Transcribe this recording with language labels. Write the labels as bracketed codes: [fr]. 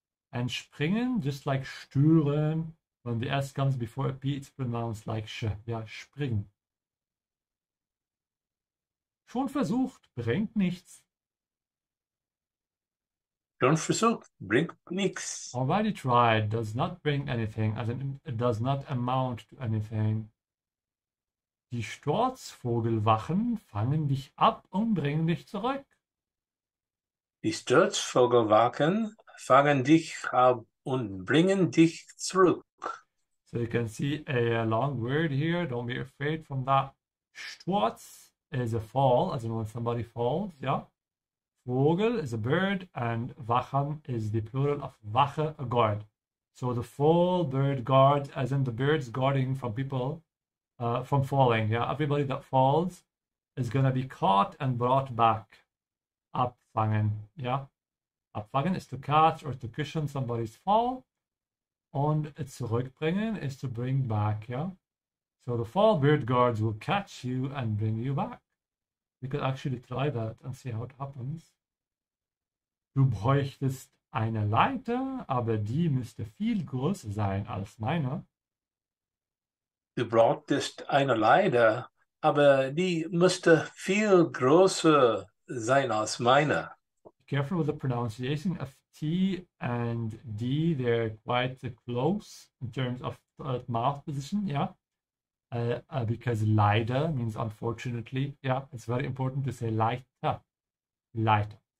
[en] And springen, just like stören, when the S comes before a P, it's pronounced like sch, yeah, springen. [de] Schon versucht, bringt nichts. Schon versucht, bringt nichts. [en] Already tried, does not bring anything, as in it does not amount to anything. [de] Die Sturzvogelwachen fangen dich ab und bringen dich zurück. Die Sturzvogelwachen fangen dich ab und bringen dich zurück. [en] So you can see a long word here. Don't be afraid from that. Sturz is a fall, as in when somebody falls. Yeah. Vogel is a bird and Wachen is the plural of Wache, a guard. So the fall bird guards, as in the birds guarding from people from falling. Yeah. Everybody that falls is going to be caught and brought back. Abfangen, yeah. Abfangen is to catch or to cushion somebody's fall. Und zurückbringen is to bring back, yeah. So the fall bird guards will catch you and bring you back. We could actually try that and see how it happens. [de] Du bräuchtest eine Leiter, aber die müsste viel größer sein als meine. Du bräuchtest eine Leiter, aber die müsste viel größer sein als meine. [en] Be careful with the pronunciation of T and D. They're quite close in terms of mouth position, yeah? Because leider means unfortunately, yeah? It's very important to say leiter, leiter.